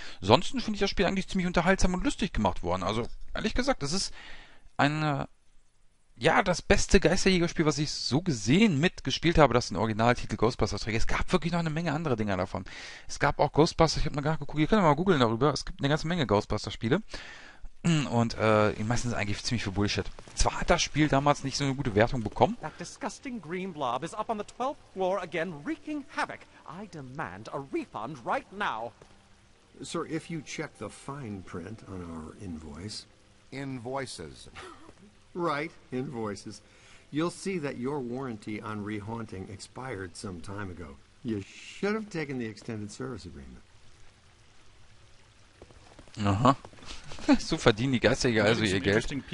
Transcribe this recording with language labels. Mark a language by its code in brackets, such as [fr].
[de] Sonst finde ich das Spiel eigentlich ziemlich unterhaltsam und lustig gemacht worden. Also, ehrlich gesagt, das ist das beste Geisterjägerspiel, was ich so gesehen mitgespielt habe, das den Originaltitel Ghostbusters trägt. Es gab wirklich noch eine Menge andere Dinger davon. Es gab auch Ghostbusters, ich habe mal geguckt, ihr könnt mal googeln darüber, es gibt eine ganze Menge Ghostbusters-Spiele. Und meistens eigentlich ziemlich viel Bullshit. Zwar hat das Spiel damals nicht so eine gute Wertung bekommen. [en] That disgusting green blob is up on the 12th floor again, wreaking havoc. I demand a refund right now. Sir, if you check the fine print on our invoice. Invoices. Right, invoices. You'll see that your warranty on rehaunting expired some time ago. You should have taken the extended service agreement. [de] Aha. So verdienen die Geisterjäger also ihr Geld.